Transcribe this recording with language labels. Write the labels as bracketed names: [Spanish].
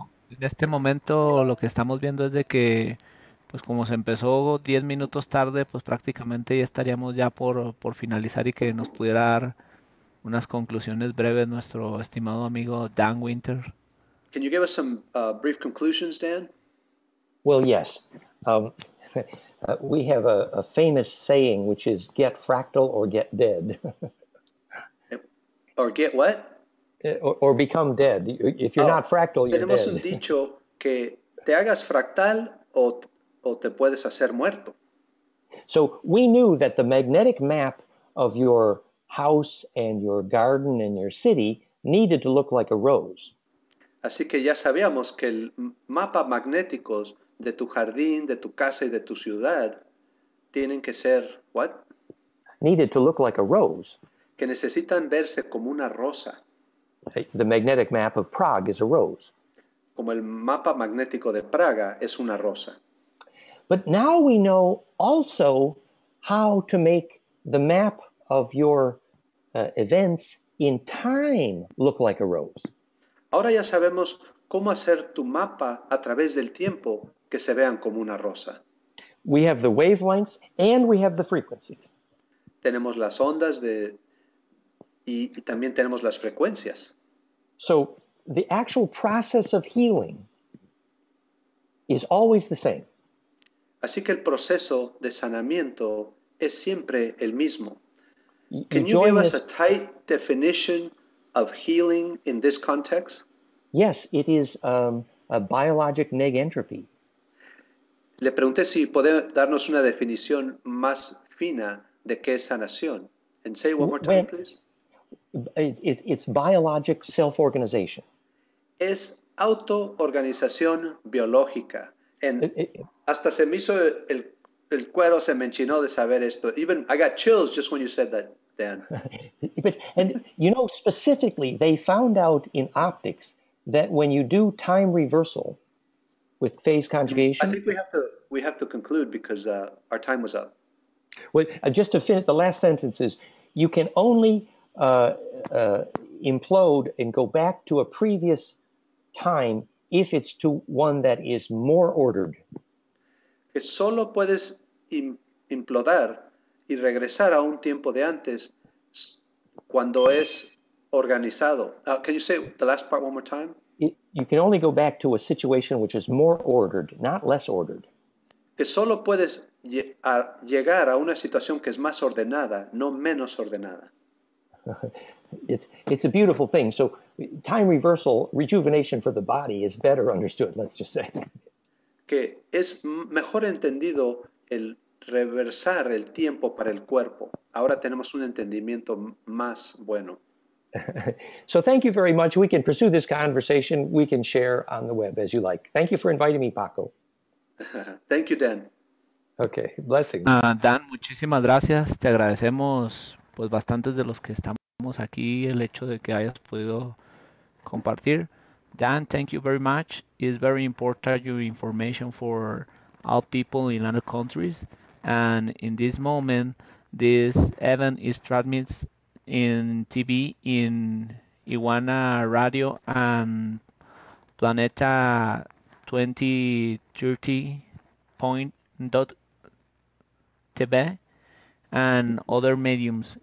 [Spanish] En este momento lo que estamos viendo es de que, pues como se empezó 10 minutos tarde, pues prácticamente ya estaríamos ya por finalizar y que nos pudiera dar unas conclusiones breves nuestro estimado amigo Dan Winter. [English] Can you give us some brief conclusions, Dan? Well, yes. We have a famous saying, which is get fractal or get dead. Or get what? Or become dead. If you're not fractal, you're dead. [Spanish] Tenemos un dicho que te hagas fractal o te puedes hacer muerto. [English] So we knew that the magnetic map of your house and your garden and your city needed to look like a rose. [Spanish] Así que ya sabíamos que el mapa magnético de tu jardín, de tu casa y de tu ciudad, tienen que ser, what? [English] Needed to look like a rose. [Spanish] Que necesitan verse como una rosa. [English] The magnetic map of Prague is a rose. [Spanish] Como el mapa magnético de Praga es una rosa. [English] But now we know also how to make the map of your events in time look like a rose. [Spanish] Ahora ya sabemos cómo hacer tu mapa a través del tiempo que se vean como una rosa. [English] We have the wavelengths and we have the frequencies. [Spanish] Tenemos las ondas de y también tenemos las frecuencias. [English] So the actual process of healing is always the same. [Spanish] Así que el proceso de sanamiento es siempre el mismo. [English] Can you give us a tight definition of healing in this context? Yes, it is a biologic negentropy. [Spanish] Le pregunté si puede darnos una definición más fina de qué es sanación. [English] And say it one more time, please. It's biologic self-organization. [Spanish] Es auto-organización biológica. And hasta se me hizo el cuero, se me enchinó de saber esto. [English] Even I got chills just when you said that, Dan. But, and you know, specifically, they found out in optics that when you do time reversal, with phase conjugation. I think we have to conclude because our time was up. Well, just to finish, the last sentence is, you can only implode and go back to a previous time if it's to one that is more ordered. [Spanish] Que solo puedes implodar y regresar a un tiempo de antes cuando es organizado. [English] Can you say the last part one more time? You can only go back to a situation which is more ordered, not less ordered. [Spanish] Que solo puedes llegar a una situación que es más ordenada, no menos ordenada. [English] It's a beautiful thing. So time reversal, rejuvenation for the body is better understood, let's just say. [Spanish] Que es mejor entendido el reversar el tiempo para el cuerpo. Ahora tenemos un entendimiento más bueno. [English] So thank you very much. We can pursue this conversation. We can share on the web as you like. Thank you for inviting me, Paco. Thank you, Dan. Okay, blessings. [Spanish] Dan, muchísimas gracias. Te agradecemos, pues, bastantes de los que estamos aquí, el hecho de que hayas podido compartir. [English] Dan, thank you very much. It's very important your information for all people in other countries. And in this moment, this event is transmitted in TV in Iguana Radio and Planeta 2030.tv and other mediums.